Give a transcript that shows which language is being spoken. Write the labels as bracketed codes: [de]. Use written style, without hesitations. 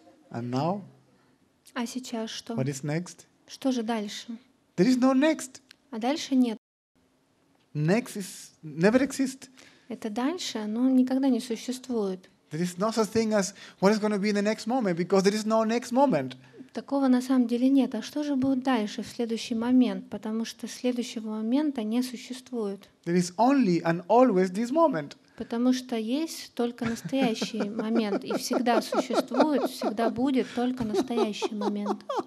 [en] And now? [ru] А сейчас что? [en] What is next? [ru] Что же дальше? [en] There is no next. [ru] А дальше нет. [en] Next is never exist. [ru] Это дальше, но никогда не существует. [en] There is no such thing as what is going to be in the next moment, because there is no next moment. [ru] Такого на самом деле нет. А что же будет дальше в следующий момент? Потому что следующего момента не существует. [en] There is only and always this moment. [ru] Потому что есть только настоящий момент и всегда существует, всегда будет только настоящий момент.